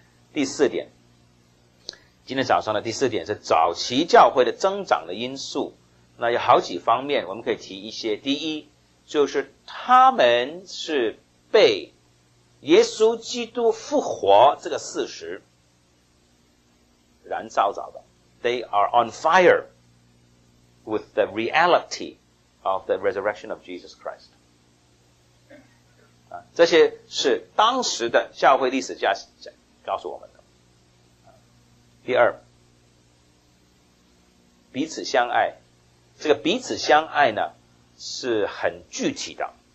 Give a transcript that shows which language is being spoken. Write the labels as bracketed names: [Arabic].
[Chinese] 第四点，今天早上的第四点是早期教会的增长的因素。那有好几方面我们可以提一些。第一，就是他们是被耶稣基督复活这个事实燃烧着的。 [English] They are on fire with the reality of the resurrection of Jesus Christ。 [Chinese] 这些是当时的教会历史家告诉我们的。第二，彼此相爱，这个彼此相爱呢是很具体的。